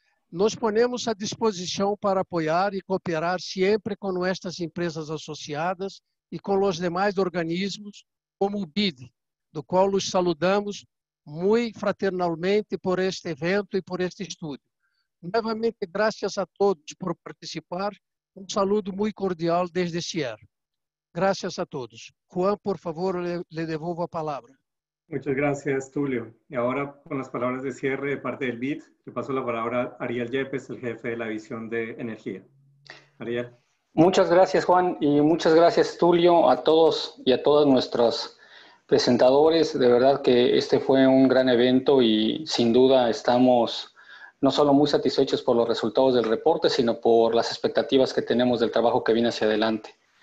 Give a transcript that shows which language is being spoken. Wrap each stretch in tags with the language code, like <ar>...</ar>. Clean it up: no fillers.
<es>Nos ponemos a disposición para apoyar y cooperar siempre con nuestras empresas asociadas y con los demás organismos, como el BID,</es> <pt>do qual os saludamos muito fraternalmente por este evento e por este estudo. Novamente, graças a todos por participar. Um saludo muito cordial desde CIER. Graças a todos. Juan, por favor, le devolvo a palavra. Muito obrigado, Túlio. E agora, com as palavras de cierre de parte do BID, le passo a palavra a Ariel Yepes, o jefe da visão de energia. Ariel. Muito obrigado, Juan, e muito obrigado, Túlio, a todos e a todas nossas presentadores,</pt> <es>de verdad que este fue un gran evento y sin duda estamos no solo muy satisfechos por los resultados del reporte, sino por las expectativas que tenemos del trabajo que viene hacia adelante.</es>